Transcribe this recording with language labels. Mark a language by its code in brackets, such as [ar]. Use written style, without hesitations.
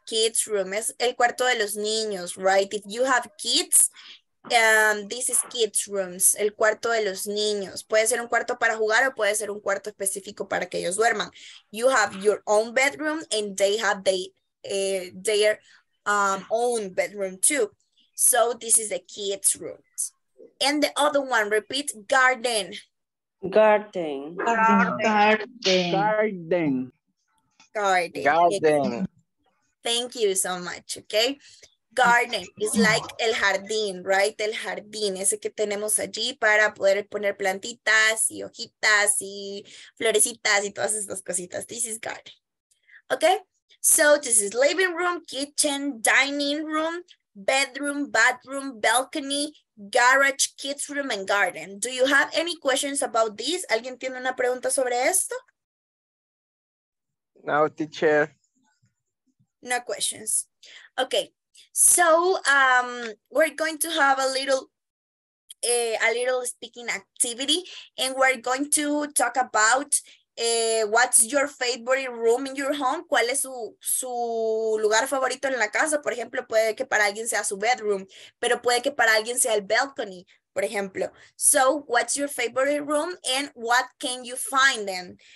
[es] Kids room es el cuarto de los niños, right? [en] If you have kids, this is kids rooms, [es] el cuarto de los niños. Puede ser un cuarto para jugar o puede ser un cuarto específico para que ellos duerman. [en] You have your own bedroom and they have their own bedroom too. So this is the kids rooms. And the other one, repeat, garden. Garden. Garden. Garden. Garden. Thank you so much, okay? Garden is like [es] el jardín, [en] right? [es] El jardín, ese que tenemos allí para poder poner plantitas y hojitas y florecitas y todas estas cositas. [en] This is garden, okay? So this is living room, kitchen, dining room, bedroom, bathroom, balcony, garage, kids room, and garden. Do you have any questions about this? [es] ¿Alguien tiene una pregunta sobre esto? [en] No, teacher. No questions. Okay, so we're going to have a little speaking activity, and we're going to talk about what's your favorite room in your home. [es] ¿Cuál es su lugar favorito en la casa? Por ejemplo, puede que para alguien sea su bedroom, pero puede que para alguien sea el balcony, por ejemplo. [en] So, what's your favorite room, and what can you find then?